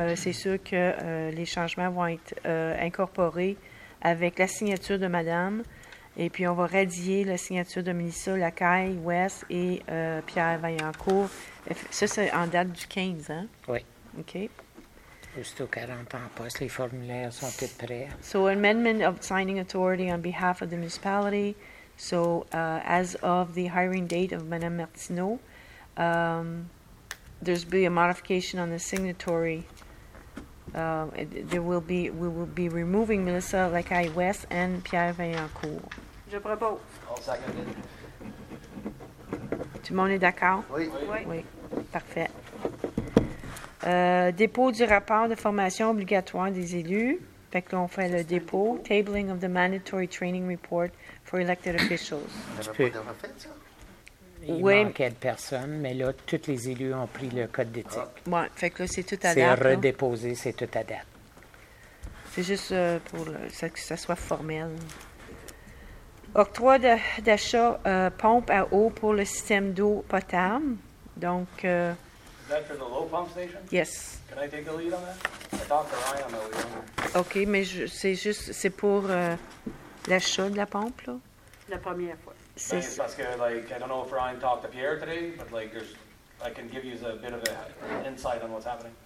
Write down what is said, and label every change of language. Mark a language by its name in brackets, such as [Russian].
[French] C'est sûr que les changements vont être incorporés avec la signature de Mme. Et puis, on va radier la signature de Mélissa Lacaille, West et Pierre Vaillancourt. Ça, c'est en date du 15, hein? Oui. OK. Aussitôt qu'elle rentre en poste, les formulaires sont tous prêts. [English] So, amendment of signing authority on behalf of the municipality. So, as of the hiring date of Madame Martineau, there's be a modification on the signatory. We will be removing Mélissa Lacaille-West and Pierre Vaillancourt. [French] Je propose. [English] I'll second. [French] Tout le monde est d'accord? Oui. Parfait. Dépôt du rapport de formation obligatoire des élus. Fait que là, on fait le dépôt. [English] Tabling of the mandatory training report for elected officials. [French] Tu peux. Ça? Il manquait de personne, mais là, tous les élus ont pris le code d'éthique. Oui, fait que là, c'est tout à date. C'est redéposé, là. C'est tout à date. C'est juste pour que ça soit formel. Octroi d'achat pompe à eau pour le système d'eau potable. Donc... [English] Is that for the low pump station? Yes. Can I take the lead on that? I talked to Ryan on the lead. [French] OK, mais c'est juste, c'est pour l'achat de la pompe, là? La première fois. C'est parce que, [English] like, I don't know if Ryan talked to Pierre today, but, like, I can give you a bit of an insight on what's happening.